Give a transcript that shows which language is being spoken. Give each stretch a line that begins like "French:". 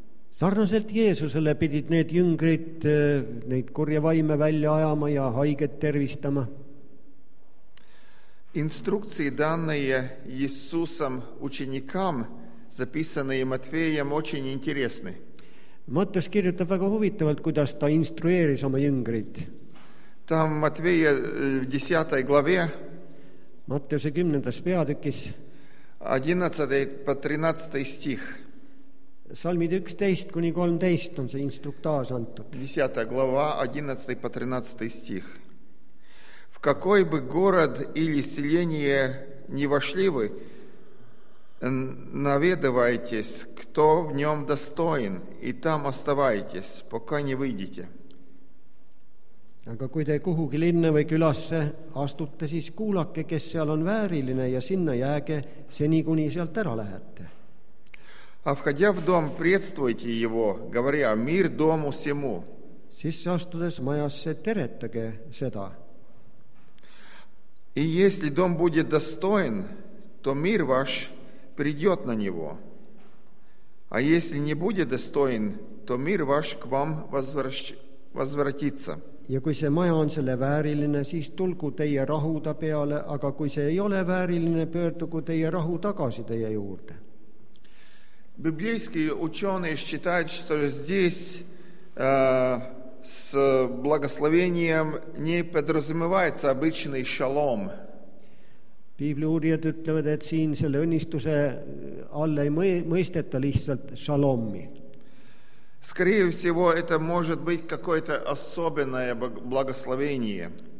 Estonian: Sarnaselt Jeesusele pidid need jüngrid neid kurjavaime välja ajama ja haiget tervistama.
Russian: Инструкции, данные Иисусом ученикам, записанные Матфеем, очень интересны.
Estonian: Маттас kirjutab väga huvitavalt, kuidas ta instrueeris oma jüngrid.
Russian: Там Матфея в 10 главе.
Estonian: Маттеуse 10. Peatükis.
Russian: 11-13 стих.
Estonian: Salmid 11-13 on see instruktaaž antud.
Russian: 10 глава, 11-13 стих. В какой бы город или селение не вошли вы, наведывайтесь, кто в нем достоин, и там оставайтесь, пока не выйдете.
Estonian: Aga kui te kuhugi linna või külasse astute, siis kuulake, kes seal on vääriline ja sinna jääge seni, kuni sealt ära lähete.
Russian: А входя в дом, приветствуйте его, говоря, мир дому сему.
Estonian: Sisse astudes majasse teretage seda.
Russian: И если дом будет достоин, то мир ваш придет на него. А если не будет достоин, то мир ваш к вам возвратится.
Estonian: Ja kui see maja on selle vääriline, siis tulgu teie rahuda peale, aga kui see ei ole vääriline, pöördugu teie rahu tagasi teie juurde.
Russian: Библейские ученые считают, что здесь с благословением не подразумевается обычный шалом.
Estonian: Библиуурijad ütlevad, et siin selle õnnistuse alle ei mõisteta lihtsalt шаломми.
Russian: Скорее всего, это может быть какое-то особенное благословение.